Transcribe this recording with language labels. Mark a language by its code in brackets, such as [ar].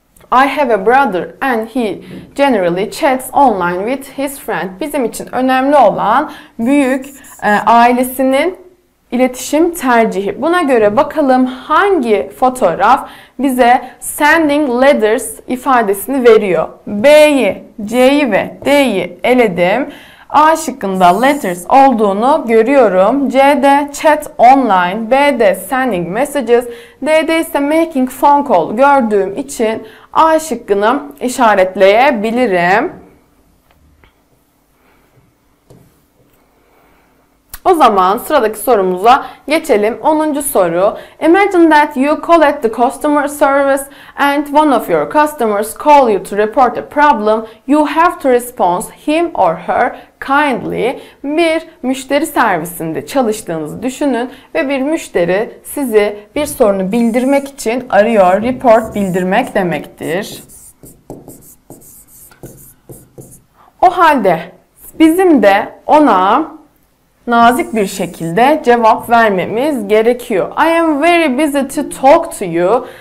[en] I have a brother and he generally chats online with his friend. [tr] Bizim için önemli olan büyük ailesinin iletişim tercihi. Buna göre bakalım hangi fotoğraf bize sending letters ifadesini veriyor. B'yi, C'yi ve D'yi eledim. A şıkkında letters olduğunu görüyorum. C'de chat online, B'de sending messages, D'de ise making phone call gördüğüm için A şıkkını işaretleyebilirim. O zaman sıradaki sorumuza geçelim. 10. soru. [en] Imagine that you call at the customer service and one of your customers call you to report a problem. You have to respond him or her kindly. [tr] Bir müşteri servisinde çalıştığınızı düşünün ve bir müşteri sizi bir sorunu bildirmek için arıyor. Report bildirmek demektir. O halde bizim de ona nazik bir şekilde cevap vermemiz gerekiyor. [en] I am very busy to talk to you.